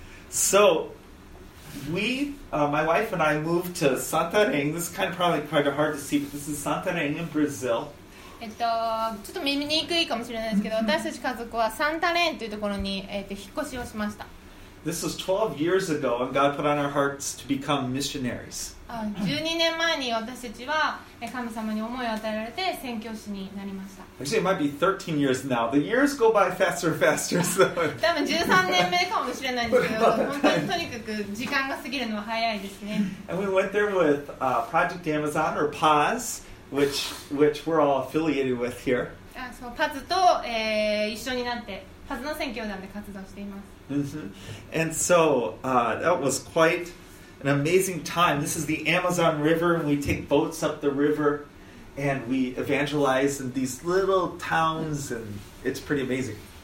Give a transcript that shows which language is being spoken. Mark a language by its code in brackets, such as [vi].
[en] So,my wife and I moved to Santarém. This is kind of probably quite hard to see, but this is Santarém in Brazil. [ja] ちょっと見にくいかもしれないですけど、私たち家族はサンタレーンというところに、引っ越しをしました。 [en] This was 12 years ago, and God put on our hearts to become missionaries. [ja] 12年前に私たちは神様に思いを与えられて宣教師になりました。 [en] Actually, it might be 13 years now. The years go by faster and faster. [ja] 多分13年目かもしれないんですけど、とにかく時間が過ぎるのは早いですね。 [en] And we went there with Project Amazon, or PAZ, which we're all affiliated with here. [ja] そう、PAZと、一緒になって、PAZの宣教団で活動しています。 Mm-hmm. [en] And so that was quite an amazing time. This is the Amazon River, and we take boats up the river, and we evangelize in these little towns, and it's pretty amazing.